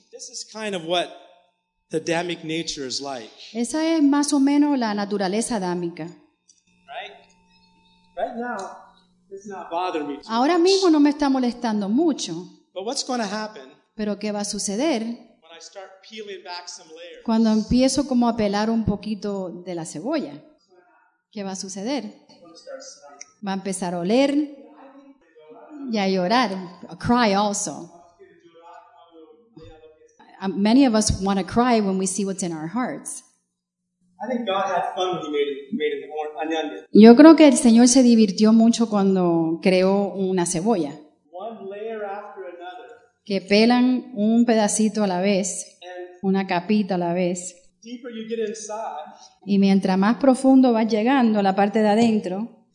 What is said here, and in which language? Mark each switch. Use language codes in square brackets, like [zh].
[en] This is kind of what the Adamic nature is like. [es] Esa es más o menos la naturaleza adámica. [en] Right now, it's not bothering me too much. [es] Ahora mismo no me está molestando mucho. [en] But what's going to happen? [es] Pero ¿qué va a suceder? [en] When I start peeling back some layers. [es] Cuando empiezo como a pelar un poquito de la cebolla. ¿Qué va a suceder? Va a empezar a oler y a llorar. [en] A cry also. Many of us want to cry when we see what's in our hearts. I think God had fun when he made an onion. [es] Yo creo que el Señor se divirtió mucho cuando creó una cebolla. [en] One layer after another. [es] Que pelan un pedacito a la vez, una capita a la vez. [en] Deeper you get inside, [es] y mientras más profundo vas llegando a la parte de adentro,